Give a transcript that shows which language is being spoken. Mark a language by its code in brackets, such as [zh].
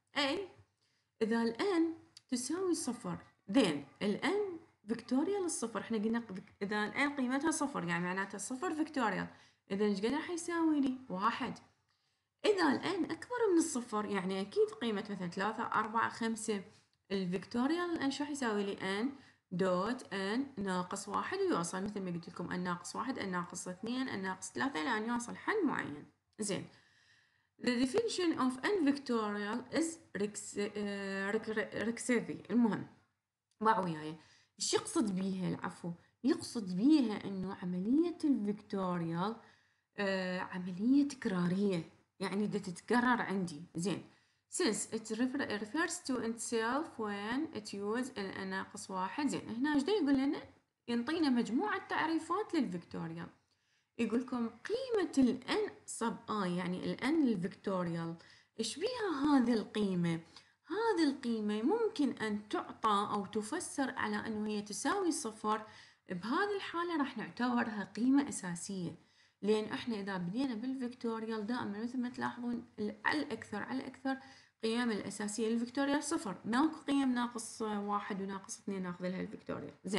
[ar] اي اذا ال n تساوي 0، then ال n فيكتوريال الصفر، احنا قلنا اذا الـ n قيمتها 0 يعني معناتها 0 فيكتوريال، اذا ايش قد راح يساوي لي؟ 1. اذا الـ n اكبر من الصفر يعني اكيد قيمة مثلا 3 4 5، الفيكتوريال الـ n شو حيساوي لي؟ n دوت n ناقص 1، ويوصل مثل ما قلت لكم n ناقص 1، n ناقص 2، n ناقص 3، الى ان يوصل حل معين. [en] زين، the definition of n factorial is recursive. [ar] المهم ضعوا وياي ايش يقصد بيها؟ العفو، يقصد بيها انه عملية الفيكتوريال عملية تكرارية، يعني دا تتكرر عندي. [en] زين، since it refers to itself when it use الـ n ناقص 1. [ar] زين، هنا ايش دا يقول لنا؟ ينطينا مجموعة تعريفات للفيكتوريال. يقولكم قيمة الـ n sub i يعني الـ n الفيكتوريال ايش بيها هذه القيمة؟ هذه القيمة ممكن أن تعطى أو تفسر على أنه هي تساوي صفر، بهذه الحالة راح نعتبرها قيمة أساسية، لأن إحنا إذا بدينا بالفكتوريال دائما مثل ما تلاحظون على الأكثر على الأكثر قيم الأساسية للفكتوريال صفر، ماكو قيم ناقص واحد وناقص اثنين ناخذ لها الفكتوريال.